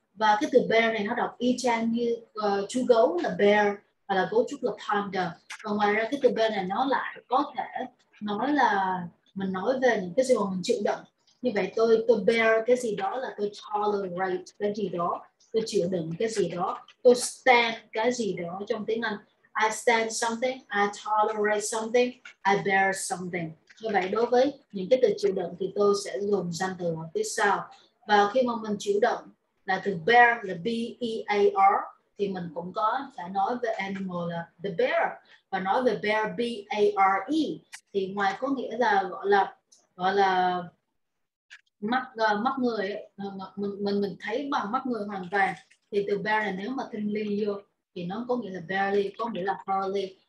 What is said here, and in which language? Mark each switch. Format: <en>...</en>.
<vi>Và cái từ bear này nó đọc y chang như chú gấu là bear, hoặc là gấu trúc là panda. Và ngoài ra cái từ bear này nó lại có thể nói là mình nói về những cái gì mà mình chịu đựng. Như vậy tôi bear cái gì đó là tôi tolerate cái gì đó, tôi chịu đựng cái gì đó, tôi stand cái gì đó trong tiếng Anh.</vi> <en>I stand something, I tolerate something, I bear something.</en> <vi>Như vậy đối với những cái từ chịu đựng thì tôi sẽ dùng danh từ phía sau. Và khi mà mình chịu đựng là từ bear, là bear, thì mình cũng có phải nói về animal là the bear, và nói về bear bare, thì ngoài có nghĩa là gọi là mắt mắt người ấy, mình thấy bằng mắt người hoàn toàn, thì từ bear này nếu mà thêm ly vô thì nó có nghĩa là barely, có nghĩa là hardly.</vi>